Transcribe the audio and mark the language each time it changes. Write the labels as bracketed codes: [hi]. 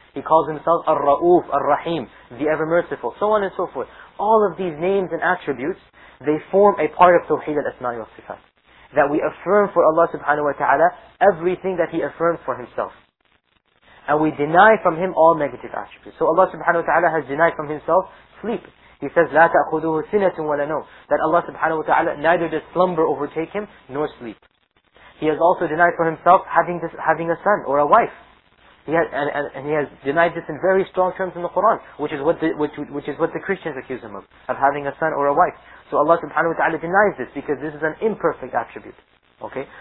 [en] He calls Himself Ar-Ra'uf, Ar-Rahim, the ever merciful. So on and so forth. All of these names and attributes, they form a part of Tawheed Al-Asma'i wa Sifat. That we affirm for Allah subhanahu wa ta'ala everything that He affirmed for Himself. And we deny from Him all negative attributes. So Allah subhanahu wa ta'ala has denied from Himself sleep. He says, [ar] لا تأخذه سنة ولا نوم. [en] That Allah subhanahu wa ta'ala neither does slumber overtake Him nor sleep. He has also denied from Himself having a son or a wife. He has denied this in very strong terms in the Quran, which is what the Christians accuse him of having a son or a wife. So Allah subhanahu wa ta'ala denies this because this is an imperfect attribute. Okay?